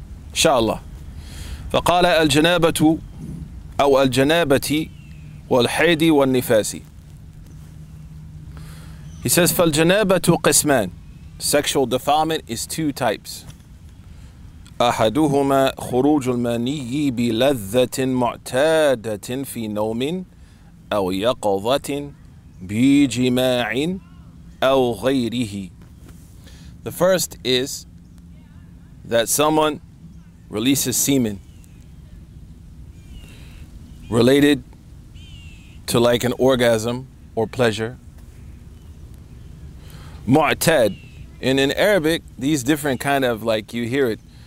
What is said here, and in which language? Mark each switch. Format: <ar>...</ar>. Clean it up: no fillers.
<ar>Inshallah. فَقَالَ الْجَنَابَةُ أَوْ الْجَنَابَةِ وَالْحَيْدِ وَالْنِفَاسِ.</ar> <en>He says,</en> <ar>فَالْجَنَابَةُ قِسْمَان.</ar> <en>Sexual defilement is two types.</en> <ar>أَحَدُهُمَا خُرُوجُ الْمَنِيِّ بِلَذَّةٍ مُعْتَادَةٍ فِي نَوْمٍ أَوْ يَقَظَةٍ بِجِمَاعٍ أو غيره.</ar> <en>The first is that someone releases semen related to like an orgasm or pleasure. Mu'tad. And in Arabic, these different kind of like you hear it.</en>